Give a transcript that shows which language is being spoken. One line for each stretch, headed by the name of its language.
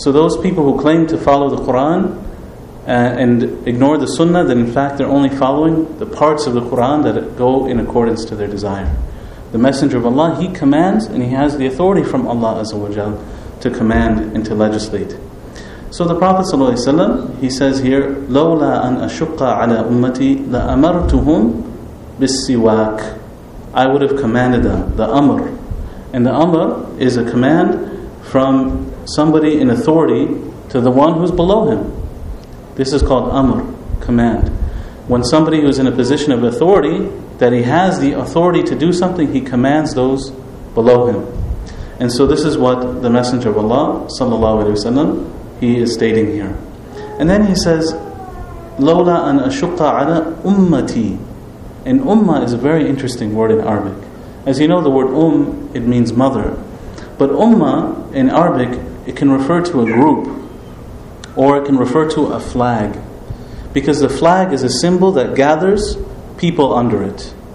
English: So those people who claim to follow the Qur'an and ignore the Sunnah, then in fact they're only following the parts of the Qur'an that go in accordance to their desire. The Messenger of Allah, he commands and he has the authority from Allah Azza wa Jal to command and to legislate. So the Prophet ﷺ, he says here,
Arabic: لَوْلَا أَنْ أَشُقَّ عَلَىٰ أُمَّتِي لَأَمَرْتُهُمْ بِالسِّوَاكِ.
English: I would have commanded them, the Amr. And the Amr is a command from somebody in authority to the one who's below him. This is called amr, command. When somebody who's in a position of authority, that he has the authority to do something, he commands those below him. And so this is what the Messenger of Allah, sallallahu alayhi wa sallam, he is stating here. And then he says,
Arabic: لولا أن أشق على أمتي.
English: And ummah is a very interesting word in Arabic. As you know, the word it means mother. But ummah in Arabic, it can refer to a group, or it can refer to a flag. Because the flag is a symbol that gathers people under it.